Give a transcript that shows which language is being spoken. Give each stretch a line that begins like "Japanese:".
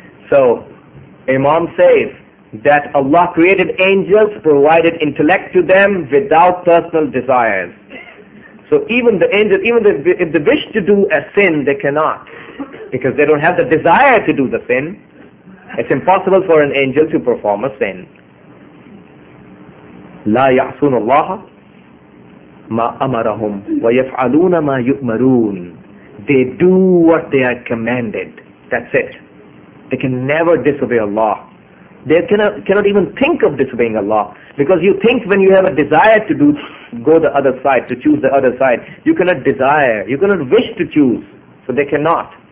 English: So, Imam says that Allah created angels, provided intellect to them without personal desires. So even the angels, even if they wish to do a sin, they cannot, because they don't have the desire to do the sin. It's impossible for an angel to perform a sin.
Arabic: لا يعصون الله ما أمرهم ويفعلون ما يؤمرون.
English: they do what they are commanded, that's it. They can never disobey Allah. They cannot even think of disobeying Allah. Because you think when you have a desire to go the other side, to choose the other side, you cannot desire, you cannot wish to choose. So they cannot.